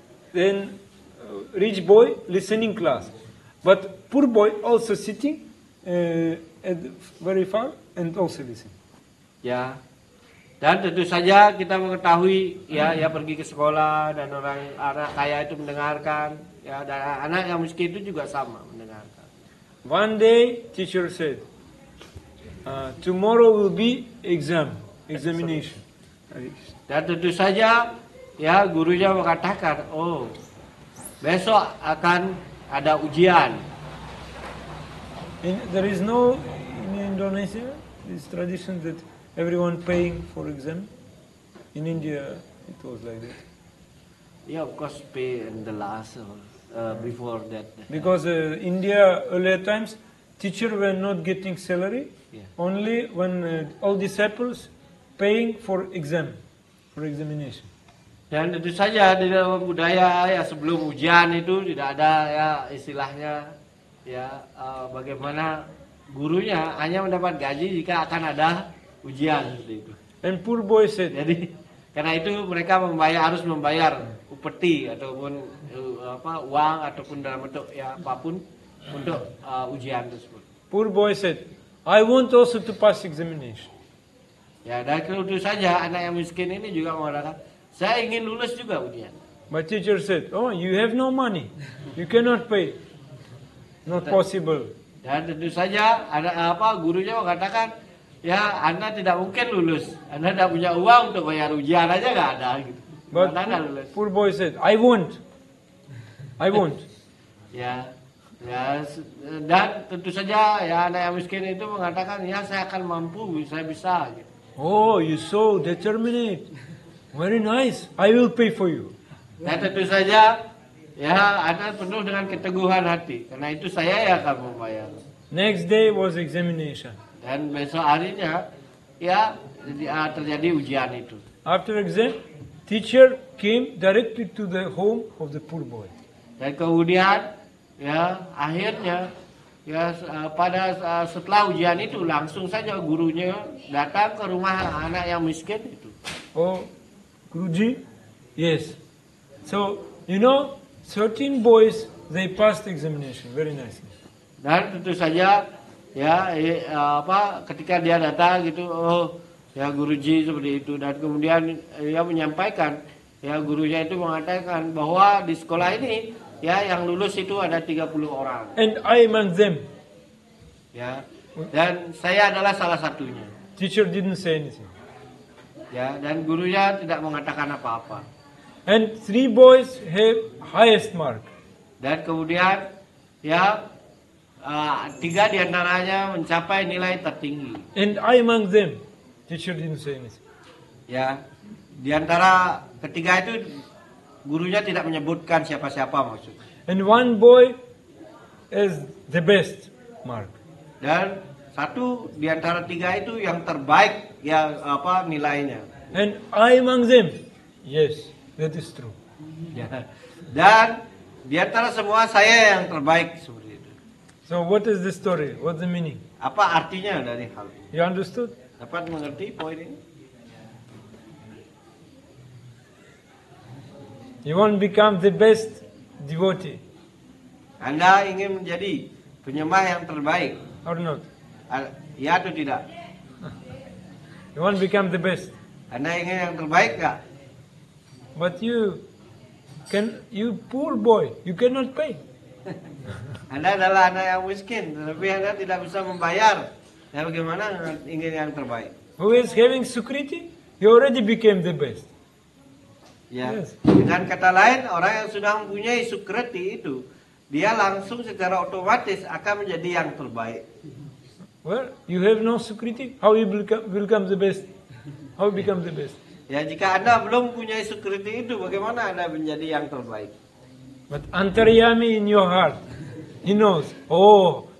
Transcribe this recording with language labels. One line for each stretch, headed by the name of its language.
English: Then rich boy listening class, but poor boy also sitting at very far and also listen.
Indonesian: Ya, dan tentu saja kita mengetahui ya, ya pergi ke sekolah dan orang anak kaya itu mendengarkan, ya dan anak yang miskin itu juga sama mendengarkan.
English: One day teacher said, tomorrow will be examination.
Indonesian: Dan tentu saja ya gurunya mengatakan, oh besok akan ada ujian.
English: There is no in Indonesia this tradition that everyone paying for exam. In India it was like that. Yeah, of course pay in the last before that. Because India earlier times teacher were not getting salary. Yeah. Only when all disciples paying for exam, for examination.
Indonesian: Dan itu saja di dalam budaya ya sebelum ujian itu tidak ada ya istilahnya ya bagaimana gurunya hanya mendapat gaji jika akan ada ujian seperti itu.
English: And poor boy said.
Indonesian: Jadi karena itu mereka membayar harus membayar upeti ataupun apa uang ataupun dalam bentuk ya apapun untuk ujian tersebut.
English: Poor boy said, I want also to pass examination.
Indonesian: Ya dan itu saja anak yang miskin ini juga mengatakan. Saya ingin lulus juga ujian.
English: My teacher said, oh, you have no money. You cannot pay. Not possible.
Indonesian: Dan tentu saja, ada apa gurunya mengatakan, ya, Anda tidak mungkin lulus. Anda tidak punya uang untuk bayar ujian aja enggak ada. Gitu.
English: But
Indonesian: mana lulus?
English: Poor boy said, I won't.
Indonesian: Ya, ya. Dan tentu saja, ya, anak yang miskin itu mengatakan, ya, saya akan mampu, saya bisa. Gitu.
English: Oh, you so determined. Very nice. I will pay for you.
Indonesian: Dan tentu saja, ya, anda penuh dengan keteguhan hati. Karena itu saya yang akan membayar.
English: Next day was examination.
Indonesian: Dan besok harinya, ya, terjadi ujian itu.
English: After exam, teacher came directly to the home of the poor boy.
Indonesian: Dan kemudian, ya, akhirnya, ya, pada setelah ujian itu langsung saja gurunya datang ke rumah anak yang miskin itu.
English: Oh. Guruji, yes. So you know, 13 boys they passed examination, very nice.
Indonesian: Dan tentu saja, ya, apa ketika dia datang gitu, oh, ya Guruji seperti itu. Dan kemudian dia menyampaikan, ya gurunya itu mengatakan bahwa di sekolah ini, ya yang lulus itu ada 30 orang.
English: And I among them.
Indonesian: Ya. Dan saya adalah salah satunya.
English: Teacher didn't say anything.
Indonesian: Ya, dan gurunya tidak mengatakan apa-apa.
English: And three boys have highest mark.
Indonesian: Dan kemudian, ya, tiga di antaranya mencapai nilai tertinggi.
English: And I among them, teacher didn't say anything.
Indonesian: Ya, di antara ketiga itu, gurunya tidak menyebutkan siapa-siapa maksudnya.
English: And one boy is the best mark.
Indonesian: Dan satu di antara tiga itu yang terbaik ya apa nilainya.
English: And I among them. Yes, that is true.
Indonesian: Ya. Dan di antara semua saya yang terbaik seperti itu.
English: So what is the story? What's the meaning?
Indonesian: Apa artinya dari hal
English: ini? You understood?
Indonesian: Dapat mengerti poin ini?
English: You want to become the best devotee.
Indonesian: Anda ingin menjadi penyembah yang terbaik.
English: Or not?
Indonesian: Ya atau tidak?
English: You want to become the best.
Indonesian: Anda ingin yang terbaik gak?
English: But you can, you poor boy, you cannot pay.
Indonesian: Anda adalah anak yang miskin, tapi Anda tidak bisa membayar. Ya bagaimana ingin yang terbaik?
English: Who is having Sukriti? He already became the best.
Indonesian: Ya. Yes. Dengan kata lain, orang yang sudah mempunyai Sukriti itu, dia langsung secara otomatis akan menjadi yang terbaik.
English: Well, you have no Sukriti. How you become the best? How you become the best?
Indonesian: Ya, jika Anda belum punya Sukriti itu, bagaimana Anda menjadi yang terbaik?
English: But Antaryami in your heart, he knows. Oh,